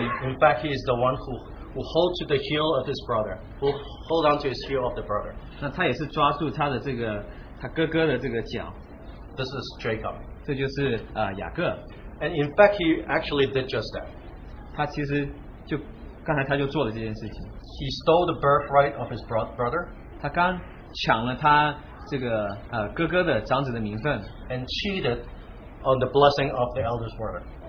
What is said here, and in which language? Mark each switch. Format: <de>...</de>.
<en>In fact, he is the one who holds to the heel of his brother, who hold on to his heel of the brother.</en> <zh>那他也是抓住他的这个他哥哥的这个脚。</zh> <en>This is Jacob.</en> <zh>这就是雅各。</zh> <en>And in fact, he actually did just that.</en> <zh>他其实就刚才他就做了这件事情。</zh> <en>He stole the birthright of his brother.</en> <zh>他刚抢了他这个哥哥的长子的名分。</zh> <en>And cheated on the blessing of the elder's brother.</en>